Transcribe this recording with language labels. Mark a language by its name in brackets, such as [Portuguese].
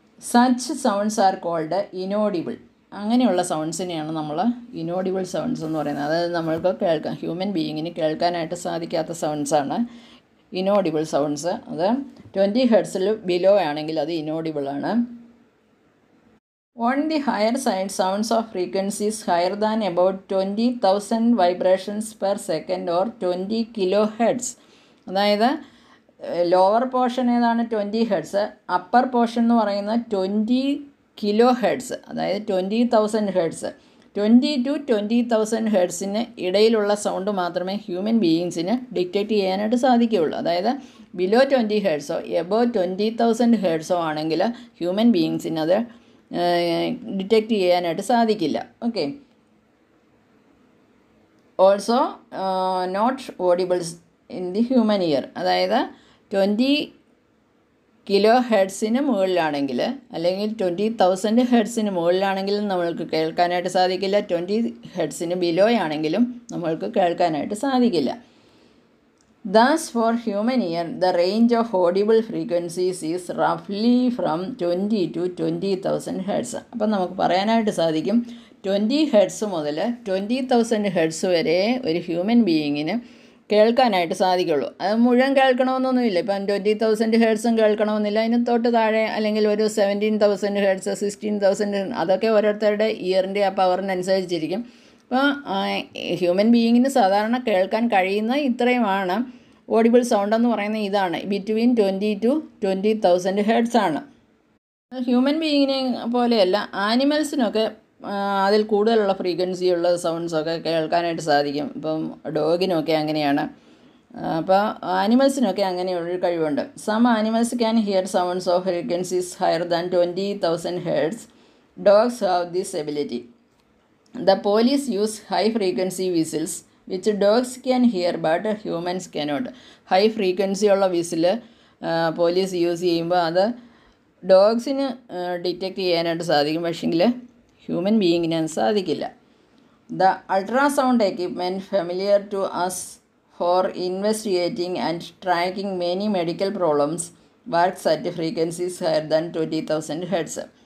[English] Such sounds are called inaudible. [Malayalam] അങ്ങനെയുള്ള സൗണ്ട്സിനെയാണ് നമ്മൾ ഇനോഡിബിൾ sounds എന്ന് പറയുന്നത്. അതായത് നമ്മൾക്ക് കേൾക്കാം, ഹ്യൂമൻ ബീയിങ്ങിന് കേൾക്കാനായിട്ട് സാധിക്കാത്ത സൗണ്ട്സാണ് ഇനോഡിബിൾ സൗണ്ട്സ്. അത് 20 ഹെർട്സിൽ ബിലോ ആണെങ്കിൽ അത് ഇനോഡിബിൾ ആണ്. [English] On the higher side, sounds of frequencies higher than about 20,000 vibrations per second or 20 kilohertz. [Malayalam] അതായത് ലോവർ പോർഷൻ ഏതാണ്? 20 ഹെർട്സ്. അപ്പർ പോർഷൻ എന്ന് പറയുന്ന 20 കിലോ ഹെർട്സ്, അതായത് 20,000 ഹെർട്സ്. 20 to 20,000 ഹെർട്സിന് ഇടയിലുള്ള സൗണ്ട് മാത്രമേ ഹ്യൂമൻ ബീയിങ്സിന് ഡിറ്റക്റ്റ് ചെയ്യാനായിട്ട് സാധിക്കുകയുള്ളൂ. അതായത് ബിലോ 20 ഹെർട്സോ എബോ 20,000 ഹെർട്സോ ആണെങ്കിൽ ഹ്യൂമൻ ബീയിങ്സിന് അത് ഡിറ്റക്റ്റ് ചെയ്യാനായിട്ട് സാധിക്കില്ല. [English] Okay, also not audibles in the human ear. [Malayalam] അതായത് 20 കിലോ ഹെർട്സിന് മുകളിലാണെങ്കിൽ, അല്ലെങ്കിൽ 20,000 ഹെർട്സിന് മുകളിലാണെങ്കിലും നമ്മൾക്ക് കേൾക്കാനായിട്ട് സാധിക്കില്ല. 20 ഹെർട്സിന് ബിലോ ആണെങ്കിലും നമ്മൾക്ക് കേൾക്കാനായിട്ട് സാധിക്കില്ല. [English] Thus, for human ear, the range of audible frequencies is roughly from 20 to 20,000 hertz. [Malayalam] അപ്പം നമുക്ക് പറയാനായിട്ട് സാധിക്കും 20 ഹെർട്സ് മുതൽ 20,000 ഹെർട്സ് വരെ ഒരു ഹ്യൂമൻ ബീയിങ്ങിന് കേൾക്കാനായിട്ട് സാധിക്കുള്ളൂ. അത് മുഴുവൻ കേൾക്കണമെന്നൊന്നുമില്ല. ഇപ്പം 20,000 ഹെർട്സും കേൾക്കണമെന്നില്ല, അതിന് തൊട്ട് താഴെ അല്ലെങ്കിൽ ഒരു 17,000 ഹെർട്സ്, 16,000, അതൊക്കെ ഓരോരുത്തരുടെ ഇയറിൻ്റെ ആ പവറിനനുസരിച്ചിരിക്കും. അപ്പോൾ ഹ്യൂമൻ ബീയിങ്ങിന് സാധാരണ കേൾക്കാൻ കഴിയുന്ന ഇത്രയുമാണ് ഓഡിബിൾ സൗണ്ട് എന്ന് പറയുന്നത്. ഇതാണ് ബിറ്റ്വീൻ 20 to 20,000 ഹെർട്സ് ആണ്. ഹ്യൂമൻ ബീയിങ്ങിനെ പോലെയല്ല, ആനിമൽസിനൊക്കെ അതിൽ കൂടുതലുള്ള ഫ്രീക്വൻസി ഉള്ള സൗണ്ട്സൊക്കെ കേൾക്കാനായിട്ട് സാധിക്കും. ഇപ്പം ഡോഗിനൊക്കെ അങ്ങനെയാണ്. അപ്പോൾ ആനിമൽസിനൊക്കെ അങ്ങനെയുള്ളൊരു കഴിവുണ്ട്. [English] Some animals can hear sounds of frequencies higher than 20,000 hertz. Dogs have this ability. The police use high-frequency whistles, which dogs can hear but humans cannot. [Malayalam] High-frequency ഉള്ള whistle പോലീസ് യൂസ് ചെയ്യുമ്പോൾ അത് ഡോഗ്സിന് ഡിറ്റക്റ്റ് ചെയ്യാനായിട്ട് സാധിക്കും, പക്ഷേങ്കിൽ human ബീയിങ്ങിനത് സാധിക്കില്ല. [English] The ultrasound equipment familiar to us for investigating and tracking many medical problems works at frequencies higher than 20,000 hertz.